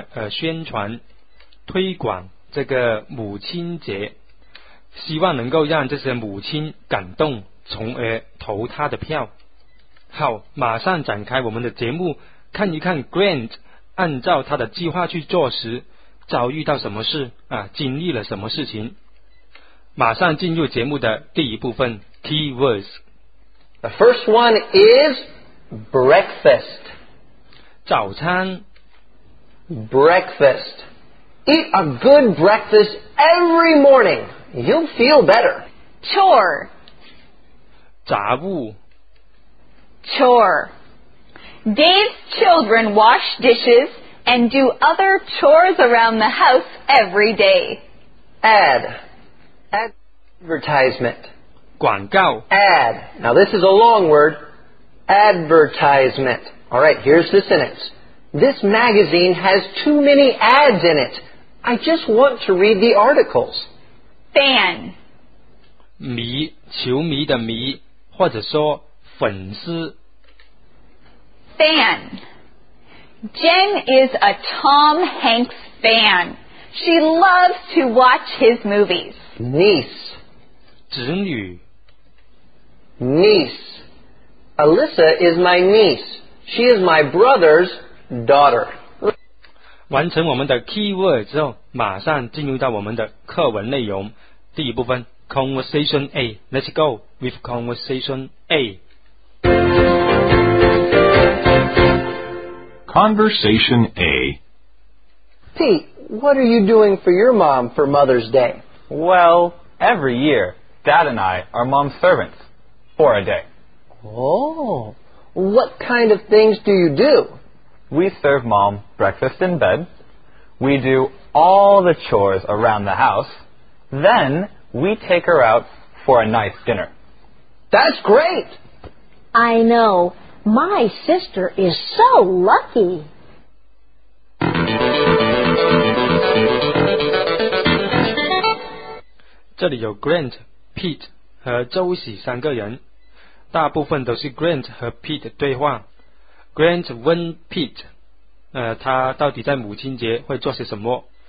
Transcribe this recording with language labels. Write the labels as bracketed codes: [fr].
[zh] 宣传推广这个母亲节，希望能够让这些母亲感动，从而投他的票。好，马上展开我们的节目，看一看 Grant 按照他的计划去做时遭遇到什么事经历了什么事情。马上进入节目的第一部分 Keywords。 [en] The first one is breakfast， [zh] 早餐。 [en] Breakfast， Eat a good breakfast every morningYou'll feel better. Chore. [zh] 杂物。 [en] Chore. Dave's children wash dishes and do other chores around the house every day. Ad. Advertisement. [zh] 广告。 [en] Ad. Now this is a long word. Advertisement. All right, here's the sentence. This magazine has too many ads in it. I just want to read the articles. Fan， [zh] 迷，球迷的迷，或者说粉丝。 [en] Fan， Jen is a Tom Hanks fan. She loves to watch his movies. Niece， [zh] 侄女。 [en] Niece， Alyssa is my niece. She is my brother's daughter. [zh] 完成我们的 keyword 之后，马上进入到我们的课文内容。 [en] 第一部分 Conversation A， Let's go with Conversation A。 Conversation A。 Pete, what are you doing for your mom for Mother's Day? Well, every year, Dad and I are mom's servants for a day. Oh, what kind of things do you do? We serve mom breakfast in bed. We do all the chores around the house. ThenWe take her out for a nice dinner. That's great! I know. My sister is so lucky. Here are Grant, Pete and Josie 三个人。 [zh] 大部分都是 Grant 和 Pete 的对话。Grant 问 Pete, 他到底在母亲节会做些什么。